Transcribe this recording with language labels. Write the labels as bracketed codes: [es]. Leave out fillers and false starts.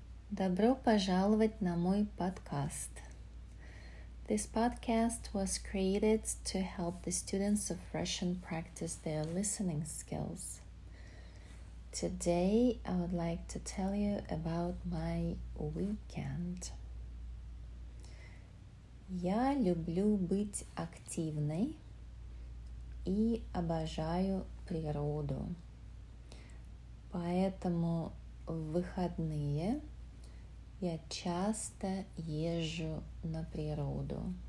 [ru] Добро пожаловать на мой подкаст. [en] This podcast was created to help the students of Russian practice their listening skills. Today I would like to tell you about my weekend. [ru] Я люблю быть активной и обожаю природу. Поэтому в выходные я часто езжу на природу.